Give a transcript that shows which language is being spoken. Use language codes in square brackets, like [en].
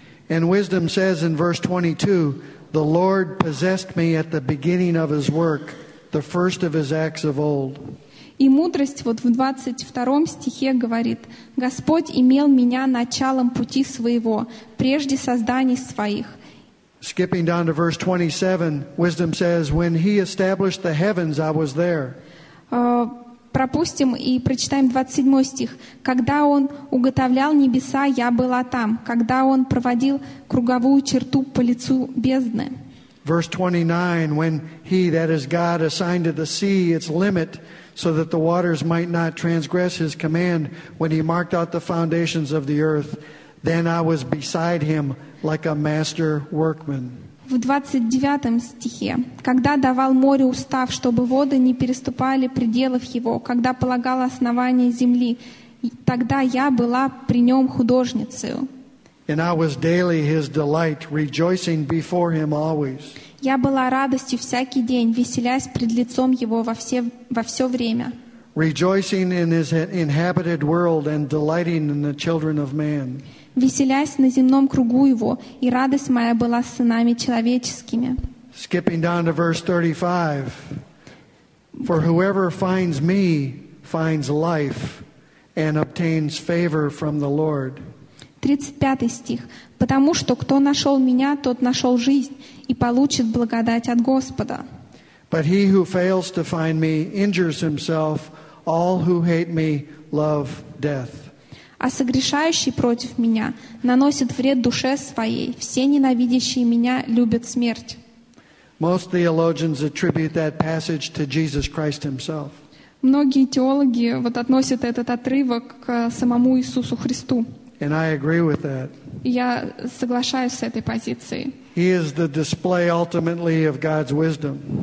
[en] And wisdom says in verse 22, the Lord possessed me at the beginning of his work, the first of his acts of old. [ru] И мудрость вот в 22 стихе говорит, «Господь имел меня началом пути своего, прежде созданий своих». [en] Skipping down to verse 27, wisdom says, «When he established the heavens, I was there». [ru] Пропустим и прочитаем 27 стих. «Когда он уготовлял небеса, я была там, когда он проводил круговую черту по лицу бездны». [en] Verse 29, «When he, that is God, assigned to the sea its limit», so that the waters might not transgress his command when he marked out the foundations of the earth, then I was beside him like a master workman. [ru] В 29 стихе, когда давал море устав, чтобы воды не переступали пределов его, когда полагал основание земли, тогда я была при нем художницей. [en] And I was daily his delight, rejoicing before him always. [ru] Я была радостью всякий день, веселясь пред лицом его во все время. [en] Rejoicing in his inhabited world and delighting in the children of man. [ru] Веселясь на земном кругу его, и радость моя была с сынами человеческими. [en] Skipping down to verse 35. For whoever finds me finds life and obtains favor from the Lord. [ru] 35 стих. Потому что кто нашел меня, тот нашел жизнь и получит благодать от Господа. [en] But he who fails to find me injures himself. All who hate me love death. [ru] А согрешающий против меня наносит вред душе своей. Все ненавидящие меня любят смерть. [en] Most theologians attribute that passage to Jesus Christ himself. [ru] Многие теологи вот относят этот отрывок к самому Иисусу Христу. [en] And I agree with that. [ru] Я соглашаюсь с этой позицией. [en] He is the display ultimately of God's wisdom.